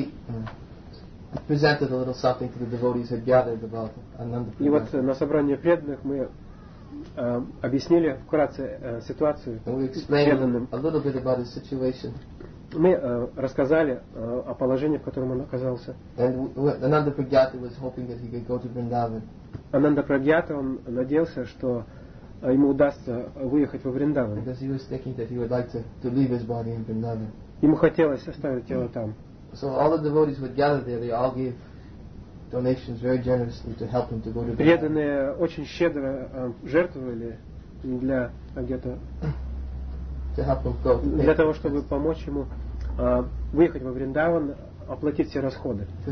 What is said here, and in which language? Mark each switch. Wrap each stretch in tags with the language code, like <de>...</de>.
<en>So we presented a little something to the devotees that gathered about Ananda.</en> <ru>И вот на собрании преданных мы объяснили вкратце ситуацию преданным.</ru> <en>A little bit about the situation.</en> <ru>Мы рассказали о положении, в котором он оказался.</ru> <en>Ананда Прагьята was hoping that he could go to Vrindavan.</en> <ru>Ананда Прагьята, он надеялся, что ему удастся выехать во Вриндаван.</ru> <en>Because he was thinking that he would like to leave his body in Vrindavan.</en> <ru>Ему хотелось оставить тело там.</ru> <en>So all the devotees would gather there. They all gave donations very generously to help him to go to Vrindavan.</en> <ru>Преданные очень щедро жертвовали для Агьята. Для того, чтобы помочь ему выехать во Вриндаван, оплатить все расходы.</ru>